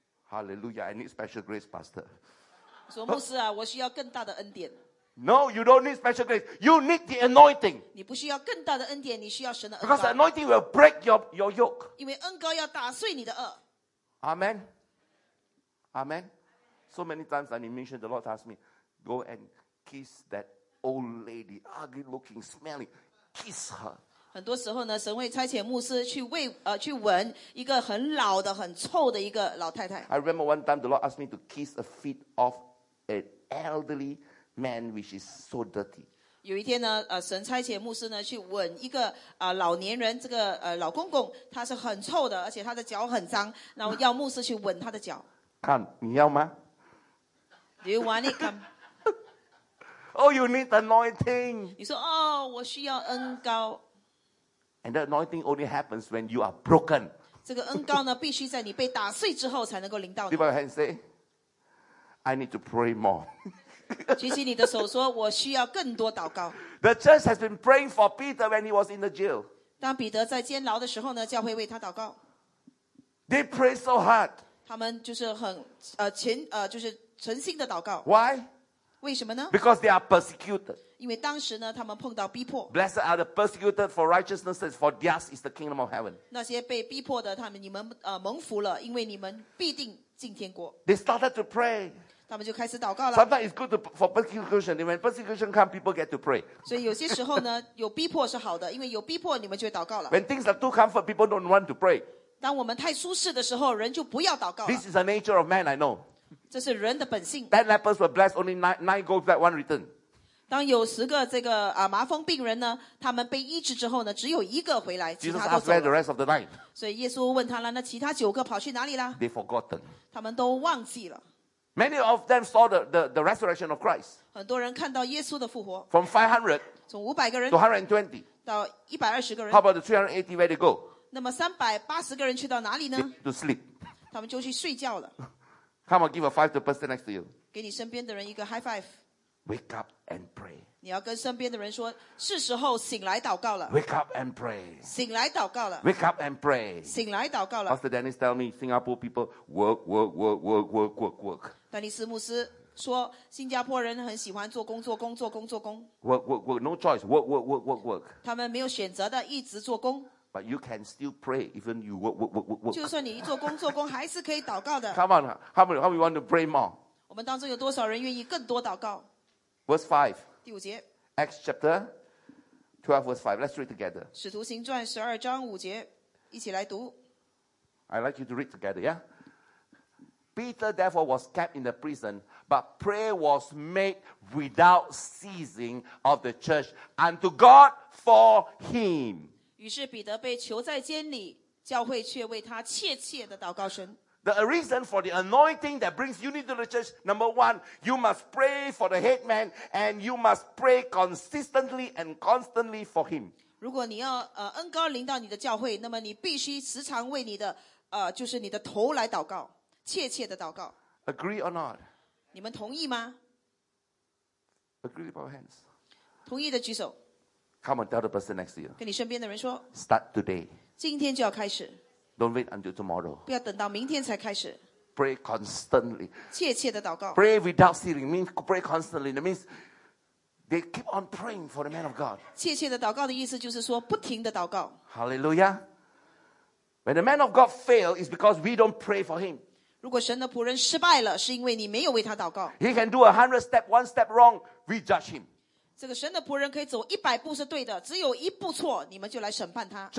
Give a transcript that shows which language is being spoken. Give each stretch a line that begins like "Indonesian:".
English: Hallelujah, I need special grace, Pastor.
Chinese: 说牧师啊，我需要更大的恩典。
English: No, you don't need special grace. You need the anointing.
Chinese: 你不需要更大的恩典，你需要神的恩膏。
English: Because the anointing will break your yoke.
Chinese: 因为恩膏要打碎你的轭。
English: Amen. Amen. So many times when you mentioned, the Lord asked me, go and kiss that old lady, ugly looking, smelly. Kiss her.
Chinese: 很多时候呢，神会差遣牧师去闻一个很老的、很臭的一个老太太。
English: I remember one time the Lord asked me to kiss the feet of an elderly. Man, which is so dirty.
Chinese: 有一天呢，神差遣牧师呢去吻一个老年人，这个老公公，他是很臭的，而且他的脚很脏，然后要牧师去吻他的脚。
English: Come,
Chinese: 你要吗
English: ？Do you want it? Come. Oh, you need anointing.
Chinese: 你说哦，我需要恩膏。
English: And the anointing only happens when you are broken.
Chinese: 这个恩膏呢，必须在你被打碎之后才能够临到你。
English: Give my hand, say, I need to pray more.
Chinese: 举起你的手说，我需要更多祷告。
English: The church has been praying for Peter when he was in the jail.
Chinese: 当彼得在监牢的时候呢，教会为他祷告。
English: They pray so hard.
Chinese: 他们就是很就是诚心的祷告。
English: Why?
Chinese: 为什么呢
English: ？Because they are persecuted.
Chinese: 因为当时呢，他们碰到逼迫。
English: Blessed are the persecuted for righteousness, for theirs is the kingdom of heaven.
Chinese: 那些被逼迫的，他们你们蒙福了，因为你们必定进天国。
English: They started to pray.
Chinese: 他们就开始祷告了。
English: Sometimes it's good for persecution. When persecution comes, people get to pray.
Chinese: 所以有些时候呢，有逼迫是好的，因为有逼迫，你们就会祷告了。
English: When things are too comfort, people don't want to pray.
Chinese: 当我们太舒适的时候，人就不要祷告了。
English: This is the nature of man, I know.
Chinese: 这是人的本性。
English: 10 lepers were blessed, only 9 go back, 1 return.
Chinese: 当有十个这个啊麻风病人呢，他们被医治之后呢，只有一个回来，其他都走了。
English: The rest of the nine.
Chinese: 所以耶稣问他了，那其他九个跑去哪里了
English: ？They forgotten.
Chinese: 他们都忘记了。
English: Many of them saw the resurrection of Christ.
Chinese: 很多人看到耶稣的复活。
English: From 500.
Chinese: 从500个人。
English: To 120.
Chinese: 到120个人。
English: How about the 380 where they go?
Chinese: 那么380个人去到哪里呢
English: ？To sleep.
Chinese: 他们就去睡觉了。
English: Come on, give a five to the person next to you.
Chinese: 给你身边的人一个
English: high five. Wake up and pray.
Chinese: 你要跟身边的人说，是时候醒来祷告了。
English: Wake up and pray.
Chinese: 醒来祷告了。
English: Wake up and pray.
Chinese: 醒来祷告了。
English: Pastor Dennis tell me, Singapore people work, work, work, work, work, work, work.
Chinese: 丹尼斯牧师说，新加坡人很喜欢做工作，工作，工作，工。
English: Work, work, work. No choice. Work, work, work, work, work.
Chinese: 他们没有选择的，一直做工。
English: But you can still pray even you work, work, work, work, work.
Chinese: 就算你做工作工，还是可以祷告的。
English: Come on, how many want to pray more?
Chinese: 我们当中有多少人愿意更多祷告？
English: Verse 5.
Chinese: 第五节
English: Acts chapter 12 verse 5. Let's read together.
Chinese: 使徒行传十二章五节一起来读
English: I'd like you to read together, yeah? Peter therefore was kept in the prison, but prayer was made without ceasing of the church unto God for him.
Chinese: 于是彼得被囚在监里教会却为他切切的祷告神
English: The reason for the anointing that brings unity to the church, number one, you must pray for the head man and you must pray consistently and constantly for him.
Chinese: 如果你要恩膏临到你的教会，那么你必须时常为你的就是你的头来祷告，切切的祷告。
English: Agree or not?
Chinese: 你们同意吗
English: ？Agree with our hands.
Chinese: 同意的举手。
English: Come on, tell the person next to you.
Chinese: 跟你身边的人说。
English: Start today.
Chinese: 今天就要开始。
English: Don't wait until tomorrow.
Chinese: 不要等到明天才开始。
English: Pray constantly.
Chinese: 切切的祷告。
English: Pray without ceasing means pray constantly. That means they keep on praying for the man of God.
Chinese: 切切的祷告的意思就是说不停的祷告。
English: Hallelujah. When the man of God fails, it's because we don't pray for him.
Chinese: 如果神的仆人失败了，是因为你没有为他祷告。
English: He can do 100 step, one step wrong, we judge him.
Chinese: 这个神的仆人可以走100步是对的，只有一步错，你们就来审判他。